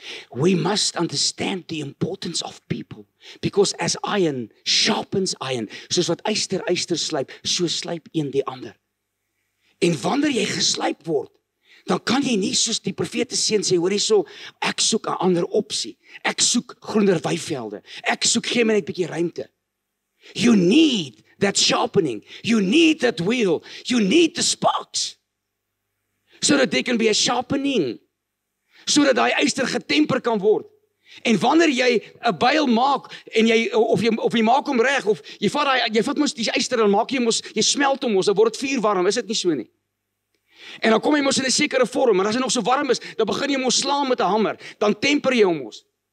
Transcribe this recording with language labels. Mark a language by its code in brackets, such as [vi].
[en] We must understand the importance of people, because as iron sharpens iron, [af] soos wat yster slyp, so slyp een die ander. En wanneer jy geslyp word, dan kan jy nie soos die profete seun sê, hoor hierso, ek soek 'n ander opsie, ek soek groener weivelde, ek soek gee my net 'n bietjie ruimte. [en] You need that sharpening, you need that wheel, you need the sparks, so that there can be a sharpening, [af] sodat daai yster getemper kan word. En wanneer jy 'n byl maak en jy of jy maak hom reg of jy vat mos die yster en maak jy mos jy smelt hom, dan word dit vuur warm, is dit nie so nie? En dan kom jy mos in 'n sekere vorm, maar as hy nog so warm is, dan begin jy mos slaan met 'n hamer, dan temper jy hom mos.